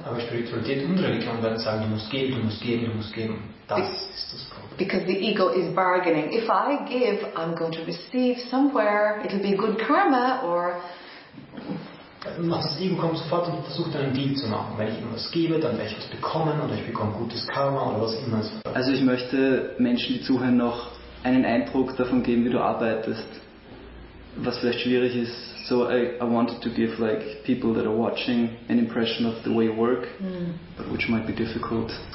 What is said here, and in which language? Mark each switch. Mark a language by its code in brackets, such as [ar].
[de] Aber Spiritualität und Religion werden sagen, du musst geben. Das ist das Problem. [en] Because the ego is bargaining. If I give, I'm going to receive somewhere. It'll be good karma or... [de] Das Ego kommt sofort und versucht einen Deal zu machen. Wenn ich ihm was gebe, dann werde ich was bekommen oder ich bekomme gutes Karma oder was immer. Also ich möchte Menschen, die zuhören, noch einen Eindruck davon geben, wie du arbeitest. Was vielleicht schwierig ist. [en] So I wanted to give like people that are watching an impression of the way you work, but which might be difficult.